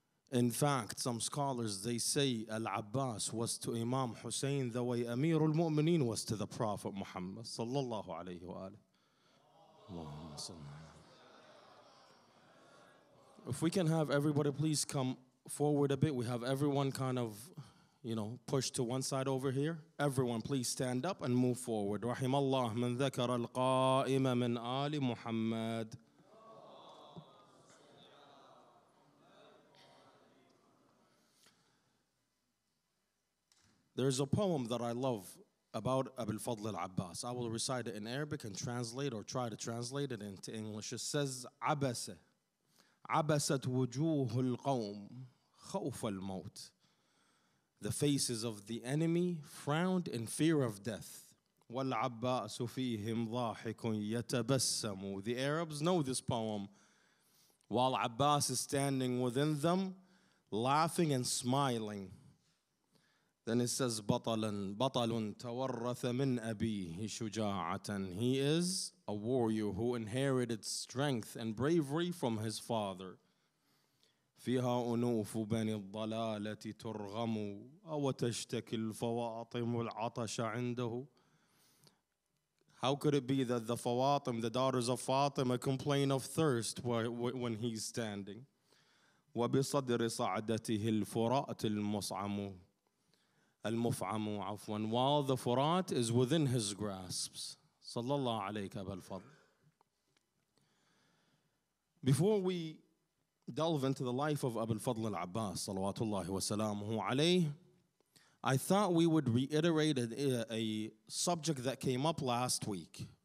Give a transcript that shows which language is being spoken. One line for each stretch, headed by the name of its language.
English: In fact, some scholars, they say Al-Abbas was to Imam Hussein the way Amir al-Mu'mineen was to the Prophet Muhammad
Arabic: sallallahu alayhi wa alayhi.
English: If we can have everybody please come forward a bit. We have everyone kind of, you know, pushed to one side over here. Everyone please stand up and move forward.
Arabic: رحم الله من ذكر القائم من آل محمد.
English: There's a poem that I love about Abu al-Fadl al-Abbas. I will recite it in Arabic and translate or try to translate it into English. It says,
Arabic: عَبَسَ عَبَسَتْ وُجُوهُ الْقَوْمِ خَوْفَ الْمَوْتِ.
English: The faces of the enemy frowned in fear of death.
Arabic: وَالْعَبَّاسُ فِيهِمْ ضَاحِكٌ يَتَبَسَّمُ.
English: The Arabs know this poem. While Abbas is standing within them, laughing and smiling. Then it says,
Arabic: بطلاً بطلٌ تورث من أبيه شجاعة.
English: He is a warrior who inherited strength and bravery from his father.
Arabic: فيها أنوف بني الضلالة ترغم أو تشتكي الفواطم العطش عنده.
English: How could it be that the Fawatim, the daughters of Fatima, complain of thirst when he's standing?
Arabic: وبصدر صعدته الفرات المصعم.
English: While the Furat is within his grasps.
Arabic: Sallallahu alayka Abu al-Fadl.
English: Before we delve into the life of Abu al-Fadl al-Abbas,
Arabic: salawatullahi wa salamuhu alayhi,
English: I thought we would reiterate a subject that came up last week.